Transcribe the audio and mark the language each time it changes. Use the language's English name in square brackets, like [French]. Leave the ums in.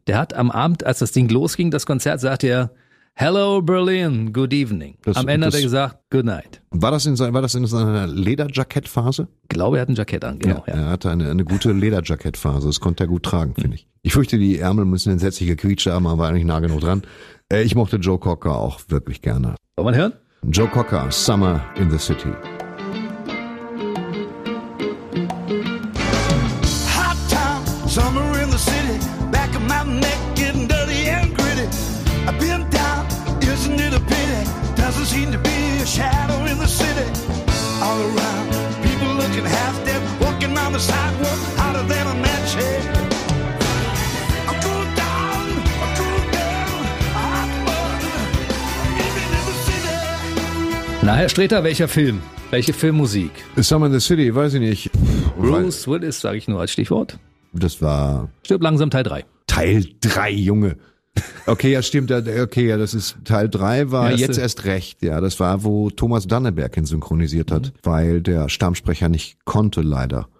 [German] Der hat am Abend, als das Ding losging, das Konzert, sagte er, [English] Hello Berlin, good evening. [German] Das- am Ende hat das- er gesagt, [English] good night. [German] War das in, sein- war das in seiner Lederjackettphase? Ich glaube, er hat ein Jackett an, genau. Ja, Er hatte eine, eine gute Lederjackettphase. Das konnte er gut tragen, finde ich. Ich fürchte, die Ärmel müssen entsetzlich gequietscht haben, aber eigentlich nah genug dran. Äh, ich mochte Joe Cocker auch wirklich gerne. Wollen wir hören? Joe Cocker, Summer in the City. [English] Hot town, summer in the city. Back of my neck getting dirty and gritty. I've been down, isn't it a pity? Doesn't seem to be a shadow in the city. All around, people looking half dead, walking on the sidewalk, hotter than a match head. I cool down, I cool down, a hot bun, living in the city. [German] Na, Herr Streter, welcher Film? Welche Filmmusik? Summer in the City, weiß ich nicht. Bruce Willis, sage ich nur als Stichwort. Das war Stirb langsam Teil 3. Teil 3, Junge. Okay, ja, stimmt. ja, Okay, ja, das ist Teil 3 war Erste. jetzt erst recht. Ja, das war, wo Thomas Danneberg ihn synchronisiert hat, weil der Stammsprecher nicht konnte, leider.